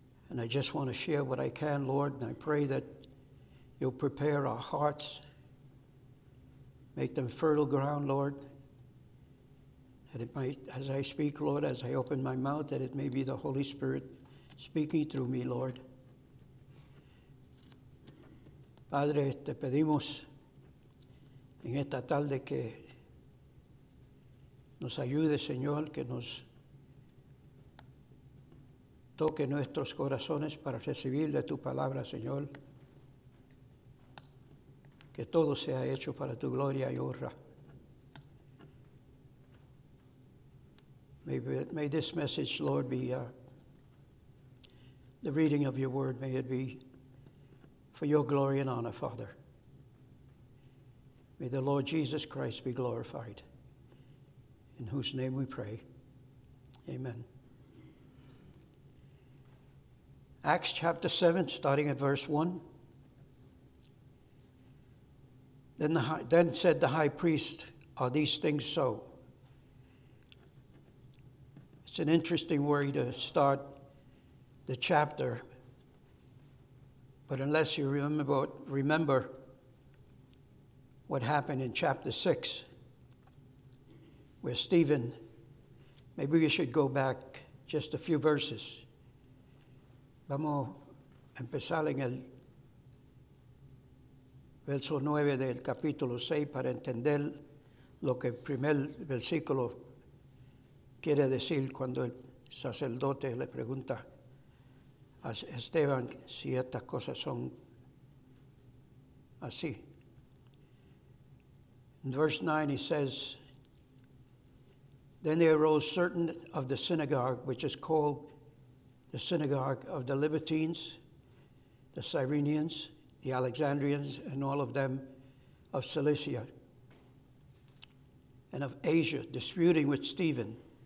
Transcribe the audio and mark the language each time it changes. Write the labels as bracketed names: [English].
[English] And I just want to share what I can, Lord, and I pray that you'll prepare our hearts, make them fertile ground, Lord, that it might, as I speak, Lord, as I open my mouth, that it may be the Holy Spirit speaking through me, Lord. [Spanish] Padre, te pedimos en esta tarde que nos ayude, Señor, que nos toque nuestros corazones para recibir de tu palabra, Señor. Que todo sea hecho para tu gloria y honra. [English] May this message, Lord, be the reading of your word. May it be for your glory and honor, Father. May the Lord Jesus Christ be glorified, in whose name we pray. Amen. Acts chapter 7, starting at verse 1. Then said the high priest, are these things so? It's an interesting way to start the chapter. But unless you remember what happened in chapter 6, where Stephen, maybe we should go back just a few verses. [Spanish] Vamos a empezar en el verso 9 del capítulo 6 para entender lo que el primer versículo quiere decir cuando el sacerdote le pregunta a Esteban si estas cosas son así. [English] In verse 9 he says, then there arose certain of the synagogue, which is called the synagogue of the Libertines, the Cyrenians, the Alexandrians, and all of them of Cilicia and of Asia, disputing with Stephen.